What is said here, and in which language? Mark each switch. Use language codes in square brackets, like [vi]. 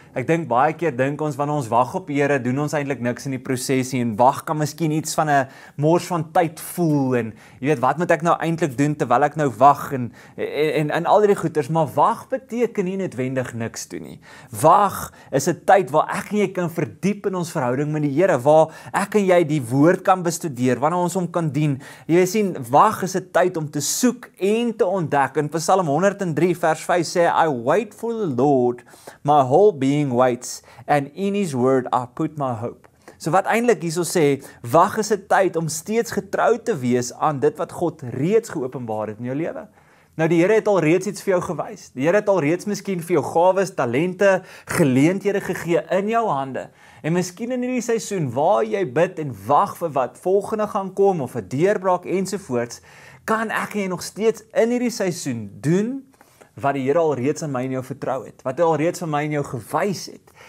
[af] Ek dink baie keer dink ons wanneer ons wag op die Here, doen ons eintlik niks in die proses nie en wag kan miskien iets van 'n mors van tyd voel en jy weet wat moet ek nou eintlik doen terwyl ek nou wag en al die goeders, maar wag beteken nie noodwendig niks doen nie. Wag is 'n tyd waar ek en jy kan verdiep in ons verhouding met die Here, waar ek en jy die woord kan bestudeer, wanneer ons hom kan dien. Jy sien, wag is 'n tyd om te soek en te ontdek. [en] In Psalm 103 vers 5 sê I wait for the Lord, my whole being waits, and in His word I put my hope. [af] So wat eintlik hierso sê, wag is 'n tyd om steeds getrou te wees aan dit wat God reeds geopenbaar het in jou lewe. Nou die Here het al reeds iets vir jou gewys. Die Here het al reeds miskien vir jou gawes, talente, geleenthede gegee in jou hande. En miskien in hierdie seisoen waar jy bid en wag vir wat volgende gaan kom of 'n deurbraak ensovoorts, kan ek en jy nog steeds in hierdie seisoen doen wat die Here al reeds aan my en jou vertrou het, wat hy al reeds vir my en jou gewys het.